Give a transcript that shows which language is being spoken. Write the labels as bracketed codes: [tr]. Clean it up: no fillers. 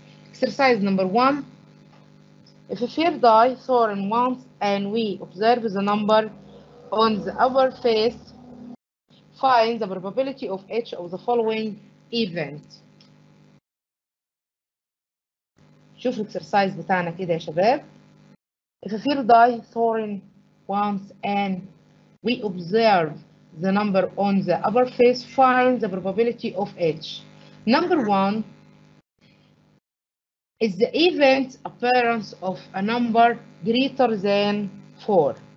[en] Exercise number one. If a fair die thrown once and we observe the number on the upper face, find the probability of each of the following event. [ar] شوف الاكسرسايز بتاعنا كده يا شباب. [en] If a fair die thrown once and we observe the number on the upper face, find the probability of H. Number one is the event appearance of a number greater than 4.